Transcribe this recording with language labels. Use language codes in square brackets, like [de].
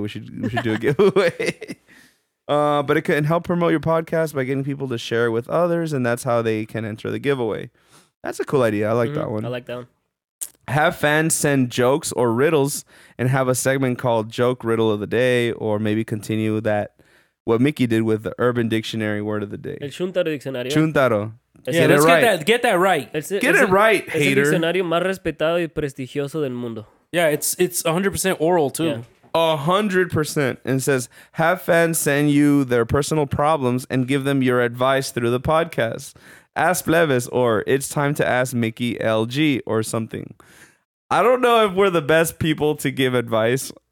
[en] We should do a giveaway. But it can help promote your podcast by getting people to share with others, and that's how they can enter the giveaway. That's a cool idea. I like that one. I like that one. Have fans send jokes or riddles and have a segment called Joke Riddle of the Day, or maybe continue that, what Mickey did with the Urban Dictionary Word of the Day. [es] El Chuntaro Diccionario. Chuntaro. [en] Get that right. Get it right, hater. [es] Es el diccionario más respetado y prestigioso del mundo. [en] Yeah, it's 100% oral, too. Yeah. 100%. And says, have fans send you their personal problems and give them your advice through the podcast. Ask Plebes, or it's time to ask Mickey LG or something. I don't know if we're the best people to give advice.